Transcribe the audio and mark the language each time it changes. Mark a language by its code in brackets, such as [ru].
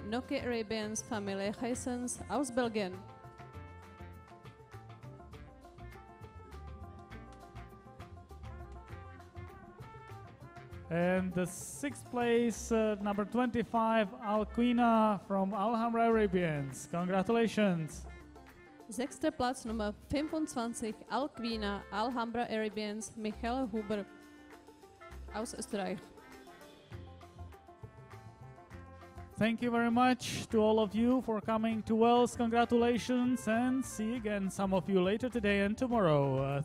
[de] Knokke Arabians, Familie Heisens aus Belgien. [en] And the sixth place, number 25, Alquina from Alhambra Arabians. Congratulations. [de] Sechster Platz, Nummer 25, Alquina, Alhambra Arabians, Michaela Huber aus Österreich. [en] Thank you very much to all of you for coming to Wels. Congratulations and see again some of you later today and tomorrow.